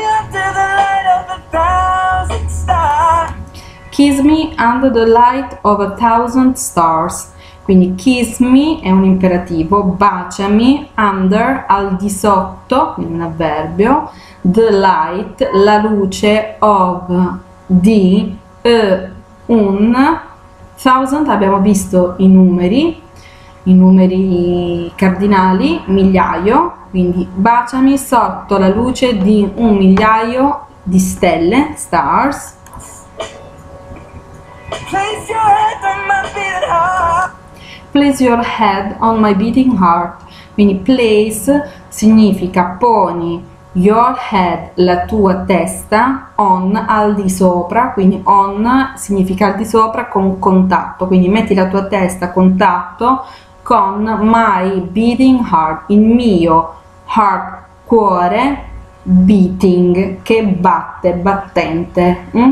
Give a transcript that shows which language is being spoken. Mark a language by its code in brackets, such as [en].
[en] Kiss me under the light of a thousand stars. [it] Quindi [en] kiss me [it] è un imperativo, baciami, under, al di sotto, quindi un avverbio, [en] the light, [it] la luce of, di, un, thousand, abbiamo visto i numeri cardinali, migliaio, quindi baciami sotto la luce di un migliaio di stelle, stars. [en] Place your head on my beating heart. Place your head on my beating heart. [it] Quindi place significa poni [en] your head, [it] la tua testa, on, al di sopra. Quindi on significa al di sopra, con contatto. Quindi metti la tua testa a contatto con [en] my beating heart, [it] il mio heart, cuore, beating, che batte, battente.